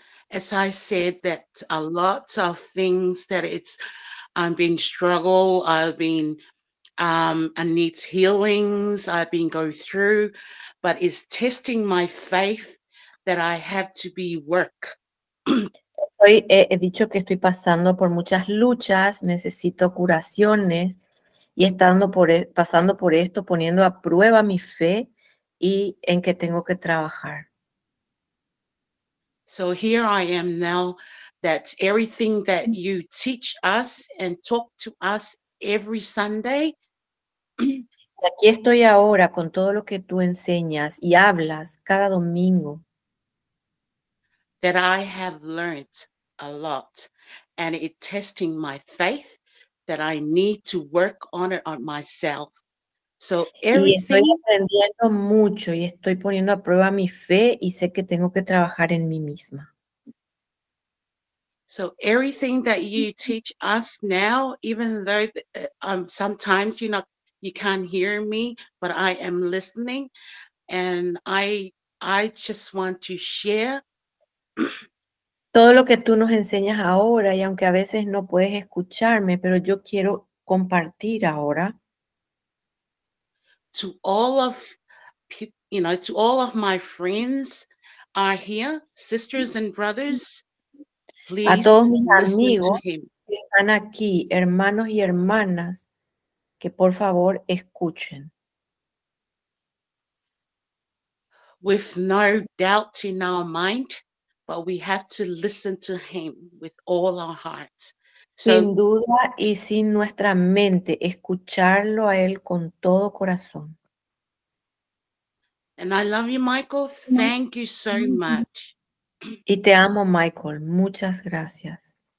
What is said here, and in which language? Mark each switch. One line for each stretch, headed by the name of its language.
English: As I said, that a lot of things that it's, I've been struggle, I've been, I need healings, I've been going through, but it's testing my faith that I have to be work.
Spanish: Estoy, he dicho que estoy pasando por muchas luchas, necesito curaciones y estando por, pasando por esto, poniendo a prueba mi fe y en que tengo que trabajar.
English: So here I am now, that everything that you teach us and talk to us every Sunday.
Spanish: Aquí estoy ahora con todo lo que tú enseñas y hablas cada domingo.
English: That I have learned a lot and it testing my faith that I need to work on it on myself. So everything.
Spanish: Y estoy aprendiendo mucho y estoy poniendo a prueba mi fe y sé que tengo que trabajar en mí misma.
English: So everything that you teach us now, even though sometimes you know you can't hear me, but I am listening, and I just want to share.
Spanish: Todo lo que tú nos enseñas ahora y aunque a veces no puedes escucharme, pero yo quiero compartir ahora.
English: To all of, you know, to all of my friends are here, sisters and brothers, please.
Spanish: A todos mis amigos que están aquí, hermanos y hermanas, que por favor escuchen.
English: With no doubt in our mind, but we have to listen to him with all our hearts.
Spanish: Sin duda y sin nuestra mente, escucharlo a él con todo corazón.
English: And I love you, Michael. Thank you so much.
Spanish: Y te amo, Michael. Muchas gracias.